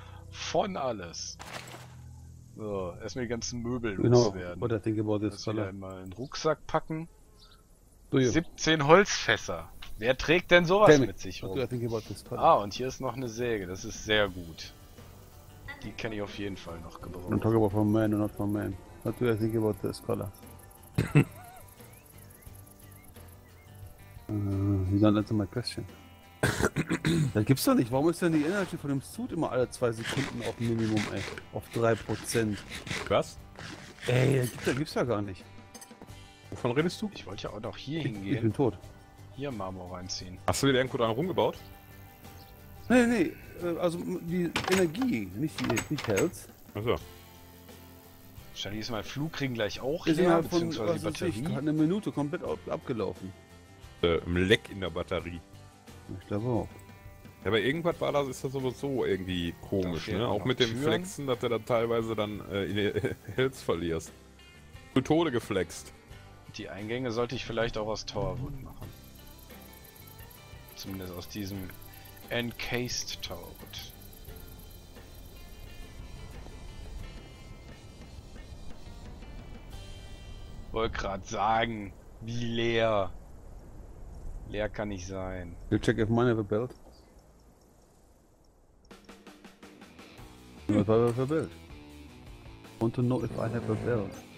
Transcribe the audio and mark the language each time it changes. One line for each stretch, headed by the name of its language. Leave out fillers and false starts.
German: Von alles. So, erstmal die ganzen Möbel loswerden. Oder den Gebäude ist voll. Einmal einen Rucksack packen. 17 Holzfässer. Wer trägt denn sowas mit sich rum? Ah, und hier ist noch eine Säge. Das ist sehr gut. Die kann ich auf jeden Fall noch gebrauchen.
English: Don't talk about from man or not from man. What do you think about this color? you don't answer my question.
German: Das gibt's doch nicht. Warum ist denn die Energy von dem Suit immer alle 2 Sekunden auf Minimum, ey? Auf 3%. Was? Ey, das gibt's ja gar nicht. Wovon redest du? Ich wollte ja auch noch hier hingehen. Ich bin tot. Hier Marmor reinziehen. Hast du dir irgendwo dran rumgebaut? Nee. Also die Energie, nicht Health. Achso. Wahrscheinlich ist mein Flugring gleich auch hier, beziehungsweise die Batterie. Ich hatte eine Minute komplett abgelaufen. Im Leck in der Batterie. Ich glaube auch. Ja, aber irgendwas war das, ist das sowieso irgendwie komisch, ne? Auch mit dem Flexen, dass du da teilweise dann in Health verlierst. Zu Tode geflext. Die Eingänge sollte ich vielleicht auch aus Torwood machen. Zumindest aus diesem Encased Torwood. Wollte gerade sagen, wie leer. Leer kann ich sein.
English: You check if mine ever built. If I ever built. Want to know if I ever built.